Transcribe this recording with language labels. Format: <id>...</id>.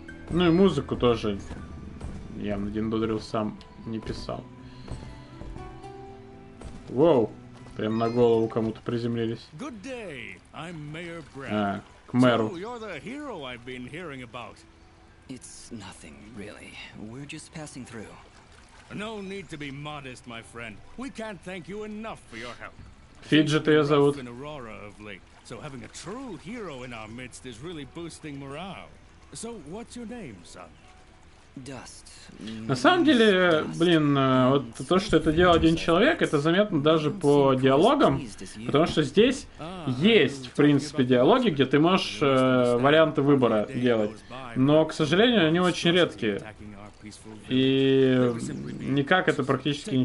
<ru>Ну и музыку тоже я на Диндодрил сам не писал. Воу, прям на голову кому-то приземлились.</ru> <en>Good day. I'm Mayor Brad.</en> <ru>А, к мэру.</ru> <en>So you're the hero I've been hearing about. It's nothing, really. We're just passing through. No need to be modest, my friend. We can't thank you enough for your help.</en> <ru>Фиджет ее зовут.</ru> <en>In Aurora of late, so having a true hero in our midst is really boosting morale. So, what's your name, son? Dust.</en> <ru>На самом деле, блин, вот то, что это делал один человек, это заметно даже по диалогам, потому что здесь есть, в принципе, диалоги, где ты можешь варианты выбора делать, но, к сожалению, они очень редкие, и никак это практически не...</ru>